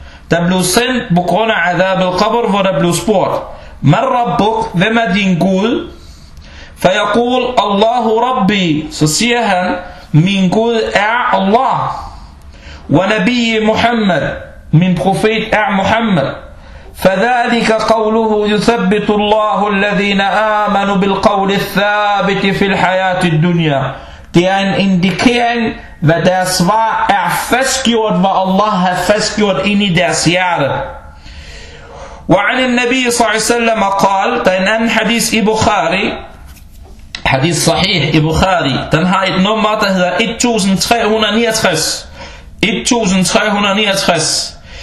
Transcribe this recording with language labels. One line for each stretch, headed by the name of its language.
Danish: Der blev sendt på grund af عذاب القبر, hvor der blev spurgt,
Arabic: man rabbuk,
Danish: hvem er din gud?
Arabic: فيقول الله ربي,
Danish: så siger han, min Gud er Allah,
Arabic: ونبي محمد,
Danish: min profet er Muhammad.
Arabic: فذلك قوله يثبت الله الذين آمنوا بالقول الثابت في الحياة الدنيا.
Danish: Det er en indikering, hvad deres svar er fastgjort, hvad Allah har fastgjort ind i deres hjerte.
Arabic: وعن النبي صلى الله عليه وسلم قال,
Danish: der er en anden hadith i Bukhari, hadith sahih i Bukhari, den har et nummer, der hedder 1369.